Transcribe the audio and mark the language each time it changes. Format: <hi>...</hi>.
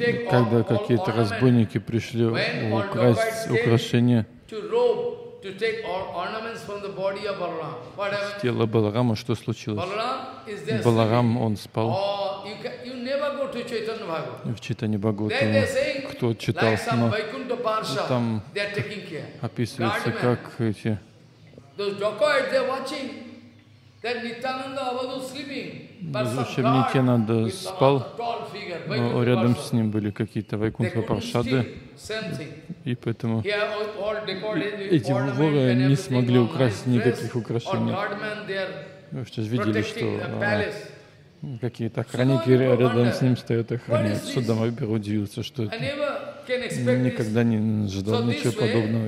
<ru>когда какие-то разбойники пришли украсть украшения,</ru> <en>to rope, to take ornaments from the body of Balaram.</en> <ru>С тела Баларама что случилось? Баларам он спал.</ru> <en>You never go to Chaitanya Bhagavata.</en> <ru>В Чайтанье Бхагавате кто читал, но там описывается, как эти</ru> <en>those dacoits, they're watching that Nityananda Avadhu sleeping.</en> <ru>Зачем Нитянанда спал? Но рядом с ним были какие-то Вайкунтха Паршады, и поэтому эти воры не смогли украсть никаких украшений. Вы сейчас видели, что какие-то охранники рядом с ним стоят, охраняют Судама Вибера, удивился, что это никогда не ожидал ничего подобного.</ru>